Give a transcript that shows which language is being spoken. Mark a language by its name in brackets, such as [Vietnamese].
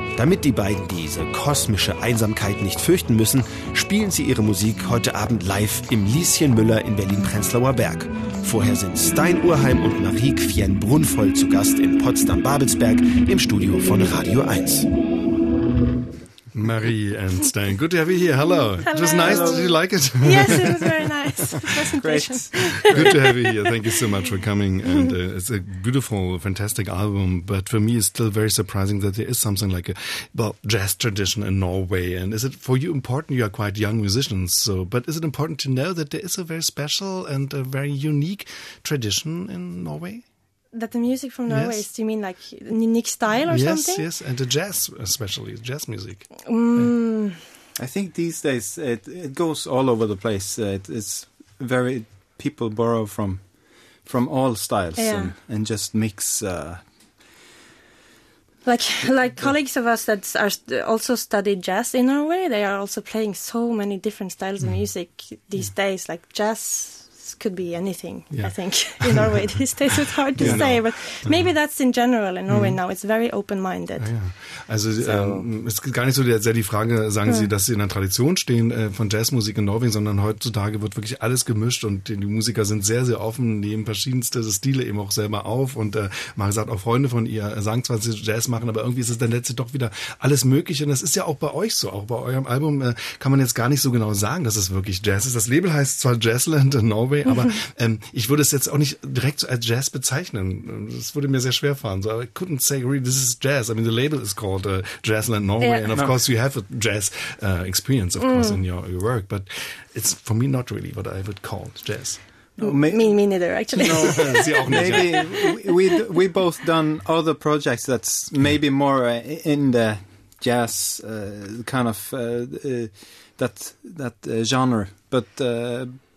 [German] Damit die beiden diese kosmische Einsamkeit nicht fürchten müssen, spielen sie ihre Musik heute Abend live im Lieschen Müller in Berlin-Prenzlauer Berg. Vorher sind Stein Urheim und Marieke Fjenn Brunvoll zu Gast in Potsdam-Babelsberg im Studio von Radio 1. [English] Marie and Stein, good to have you here. Hello. Hello. It was nice. Hello. Did you like it? Yes, it was very nice. Great. Good to have you here. Thank you so much for coming. And it's a beautiful, fantastic album. But for me, it's still very surprising that there is something like a jazz tradition in Norway. And is it for you important? You are quite young musicians. So, but is it important to know that there is a very special and a very unique tradition in Norway? That the music from Norway, yes. Is, do you mean like unique style or yes, something? Yes, yes, and the jazz, especially jazz music. I think these days it goes all over the place. It's very, people borrow from all styles, yeah. and just mix. Like colleagues of us that are also study jazz in Norway, they are also playing so many different styles of music these days, like jazz. Could be anything, yeah. I think, in Norway these days. It's hard to say, but maybe that's in general in Norway now. It's very open-minded. [German] Also, es ist gar nicht so sehr die Frage, sagen Sie, dass Sie in einer Tradition stehen von Jazzmusik in Norwegen, sondern heutzutage wird wirklich alles gemischt und die Musiker sind sehr, sehr offen, nehmen verschiedenste Stile eben auch selber auf und man sagt auch Freunde von ihr, sagen zwar, sie Jazz machen, aber irgendwie ist es dann letztlich doch wieder alles möglich und das ist ja auch bei euch so. Auch bei eurem Album kann man jetzt gar nicht so genau sagen, dass es wirklich Jazz ist. Das Label heißt zwar Jazzland in Norway, aber ich würde es jetzt auch nicht direkt so als Jazz bezeichnen. Das würde mir sehr schwer fallen. [English] So, I couldn't say, really, this is jazz. I mean, the label is called Jazzland Norway. Yeah, and of course, you have a jazz experience, of course, in your work. But it's, for me, not really what I would call jazz. Me neither, actually. No, [German] sie auch nicht. [English] Maybe we both done other projects that's maybe more in the jazz kind of that genre. But...